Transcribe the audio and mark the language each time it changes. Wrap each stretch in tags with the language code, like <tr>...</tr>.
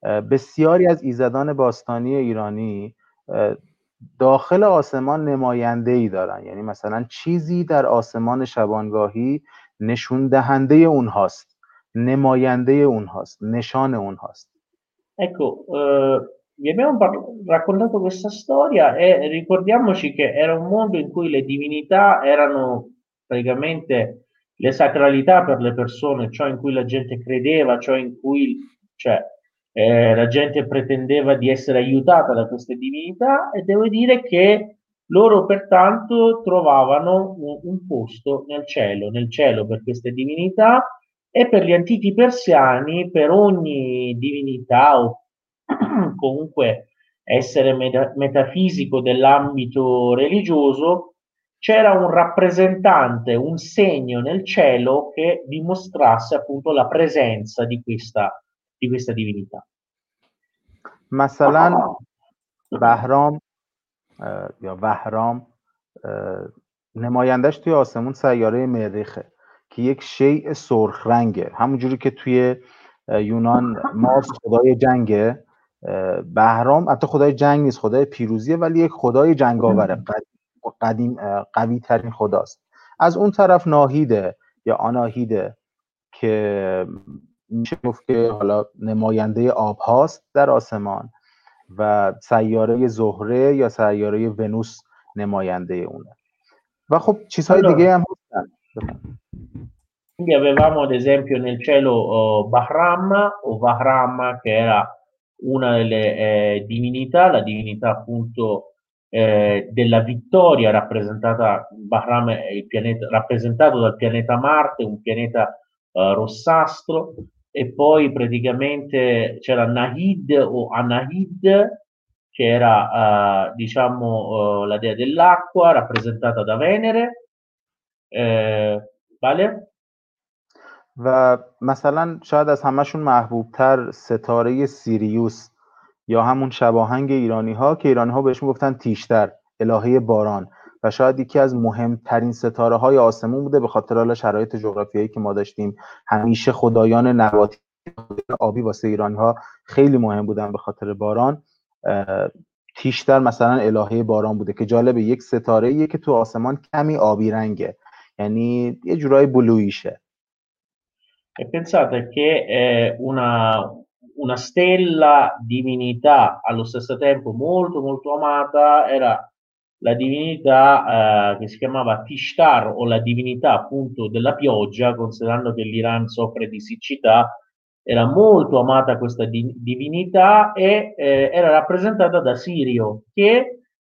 <fa>بسیاری از ایزدان باستانی ایرانی داخل آسمان نماینده‌ای دارن، یعنی مثلا چیزی در آسمان شبانگاهی نشون دهنده اونهاست، نماینده اونهاست، نشان اونهاست.</fa> <it>Ecco, vi abbiamo raccontato questa storia e ricordiamoci che era un mondo in cui le divinità erano praticamente le sacralità per le persone, ciò in cui la gente credeva, ciò in cui la gente pretendeva di essere aiutata da queste divinità, e devo dire che loro pertanto trovavano un posto nel cielo per queste divinità, e per gli antichi persiani, per ogni divinità o comunque essere metafisico dell'ambito religioso, c'era un rappresentante, un segno nel cielo che dimostrasse appunto la presenza di questa divinità.</it> <fa>مثلا بهرام یا وهرام نمایندش توی آسمون سیاره مریخه که یک شیء سرخ رنگه، همونجوری که توی یونان مارس خدای جنگه، بهرام حتی خدای جنگ نیست، خدای پیروزیه، ولی یک خدای جنگاوره، قدیم قوی ترین خداست. از اون طرف ناهیده یا آناهیده که میشه گفت که حالا نماینده آب هاست در آسمان، و سیاره زهره یا سیاره ونوس نماینده اونه، و خب چیزهای allora, دیگه هم هستن.</fa> <it>Quindi avevamo ad esempio nel cielo Vahram che era una delle divinità, la divinità appunto della vittoria, rappresentata Vahram, il pianeta rappresentato dal pianeta Marte, un pianeta rossastro. E poi praticamente c'era Nahid o Anahid, che era la dea dell'acqua, rappresentata da Venere.</it> <es>Vale?</es> <fa>و مثلا شاید از همشون محبوبتر ستاره سیریوس یا همون شباهنگ ایرانی ها، که ایرانی ها بهشون گفتن تیشتر، الهه باران، و شاید یکی از مهمترین ستاره های آسمون بوده به خاطر حالا شرایط جغرافیایی که ما داشتیم، همیشه خدایان نباتی آبی واسه ایرانی ها خیلی مهم بودن به خاطر باران. تیشتر مثلا الهه باران بوده، که جالبه یک ستاره ایه که تو آسمان کمی آبی رنگه، یعنی یه جورای بلویشه.</fa> <it>E pensate che una stella divinità allo stesso tempo molto molto amata era la divinità che si chiamava Tishtar, o la divinità appunto della pioggia, considerando che l'Iran soffre di siccità, era molto amata questa divinità, e era rappresentata da Sirio, che</it>